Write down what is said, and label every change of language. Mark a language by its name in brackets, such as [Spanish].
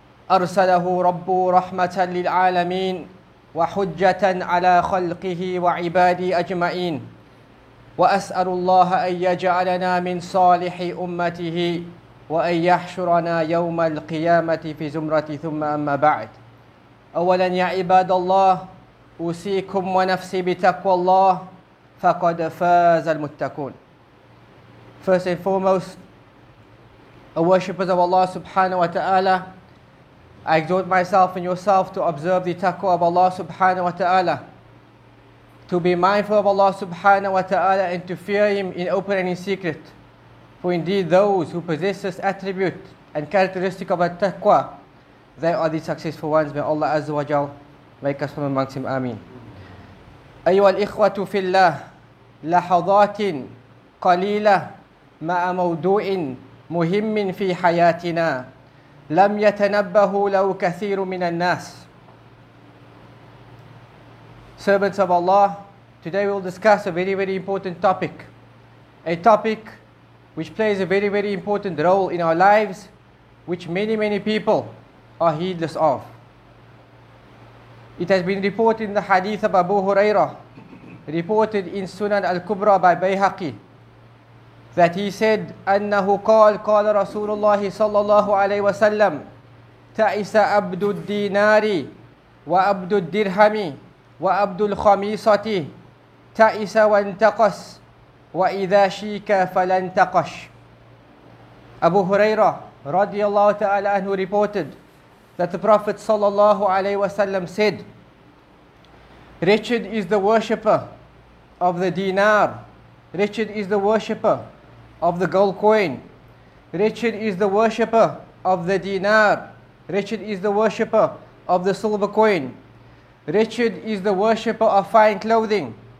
[Arabic] أرسله ربه رحمة للعالمين وحجة على خلقه وعباده أجمعين وأسأل الله أن يجعلنا من صالح أمته وأن يحشرنا يوم القيامة في زمرة ثم أما بعد أولا يا عباد الله أوصيكم ونفسي بتقوى الله فقد فاز المتقون. [English] First and foremost, O worshippers of Allah subhanahu wa ta'ala, I exhort myself and yourself to observe the taqwa of Allah subhanahu wa ta'ala, to be mindful of Allah subhanahu wa ta'ala and to fear Him in open and in secret. For indeed those who possess this attribute and characteristic of a taqwa, they are the successful ones. May Allah azza wa jal make us from amongst Him. Ameen. [Arabic] أيها الإخوة في الله لحظات قليلة مع موضوع مهم في حياتنا لم يتنبه له كثير من الناس. [English] Servants of Allah, today we'll discuss a very very important topic, a topic which plays a very very important role in our lives, which many many people are heedless of. It has been reported in the hadith of Abu Hurairah, reported in Sunan al-Kubra by Bayhaqi, that he said, [Arabic] أَنَّهُ قَالَ رَسُولُ اللَّهِ صَلَّى اللَّهُ عَلَيْهِ وَسَلَّمْ تَعِسَ أَبْدُ الدِّينَارِ وَأَبْدُ الدِّرْهَمِ وَأَبْدُ الْخَمِيصَةِ تَعِسَ وَانْتَقَسْ وَإِذَا شِيكَ فَلَانْتَقَشْ. [English] Abu Hurairah radiallahu ta'ala anhu reported that the Prophet sallallahu alayhi wa sallam said, wretched is the worshipper of the dinar, wretched is the worshipper of the gold coin, wretched is the worshipper of the dinar, wretched is the worshipper of the silver coin, wretched is the worshipper of fine clothing.